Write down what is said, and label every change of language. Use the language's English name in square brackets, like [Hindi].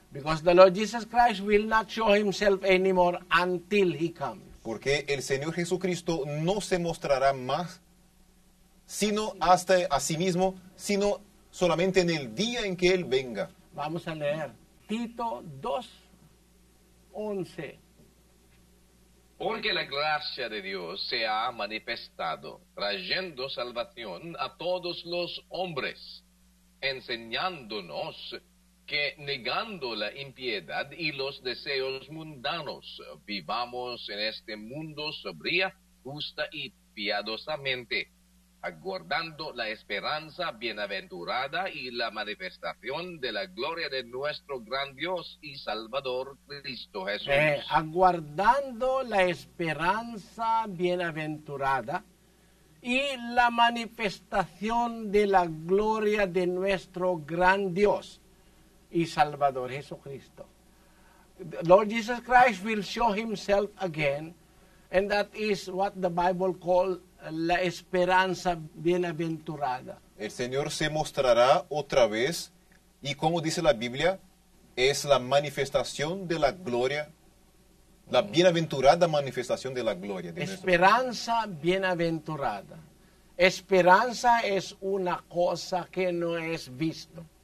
[English] Because the Lord Jesus Christ will not show himself anymore until he comes. [Spanish] Porque el Señor Jesucristo no se mostrará más sino hasta a sí mismo, sino solamente en el día en que él venga. Vamos a leer Tito 2:11. Porque la gracia de Dios se ha manifestado, trayendo salvación a todos los hombres, enseñándonos que negando la impiedad y los deseos mundanos, vivamos en este mundo sobria, justa y piadosamente, aguardando la esperanza bienaventurada y la manifestación de la gloria de nuestro gran Dios y Salvador Cristo Jesús. Aguardando la esperanza bienaventurada y la manifestación de la gloria de nuestro gran Dios y Salvador Jesucristo. [English] The Lord Jesus Christ will show himself again, and that is what the Bible calls [Spanish] la esperanza bienaventurada. El Señor se mostrará otra vez, y como dice la Biblia, es la manifestación de la gloria, la bienaventurada manifestación de la gloria de esperanza nuestro. Bienaventurada. Esperanza es una cosa que no es visto.